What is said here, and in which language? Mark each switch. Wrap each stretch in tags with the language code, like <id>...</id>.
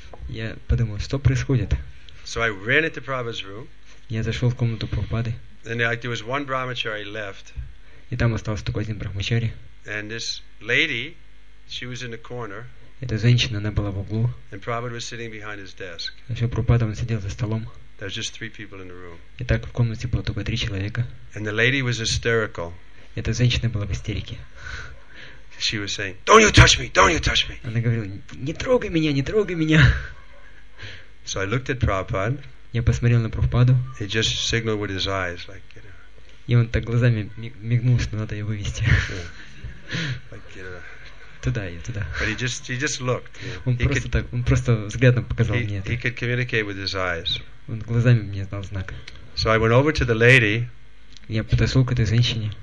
<ru>Я подумал, что происходит?</ru> <en>So I ran into Prabhupada's room.</en> <ru>Я зашел в комнату Прабхупады.</ru> <en>And there was one brahmachari left.</en> <ru>И там остался только один брахмачари.</ru> <en>And this lady, she was in the corner.</en> <ru>Эта женщина, она была в углу.</ru> <en>And Prabhupada was sitting behind his desk.</en> <ru>А еще Прабхупада, он сидел за столом.</ru> <en>There were just three people in the room.</en> <ru>И так в комнате было только три человека.</ru> <en>And the lady was hysterical.</en> <ru>Эта женщина была в истерике.</ru> <en>She was saying, "Don't you touch me! Don't you touch me!"</en> <ru>Она говорила, не трогай меня, не трогай меня.</ru> <en>So I looked at Prabhupada.</en> <ru>Я посмотрел на Прабхупаду.</ru> <en>He just signaled with his eyes, like, you know.</en> <ru>И он так глазами мигнул, что надо ее вывести.</ru> <en>Like, you know.</en> <ru>Туда ее, туда.</ru> <en>But he just looked.</en> <ru>Он просто так, он просто взглядом показал мне это.</ru> <en>He could communicate with his eyes.</en> <ru>Он глазами мне дал знак.</ru> <en>So I went over to the lady.</en> <ru>Я подошел к этой женщине.</ru>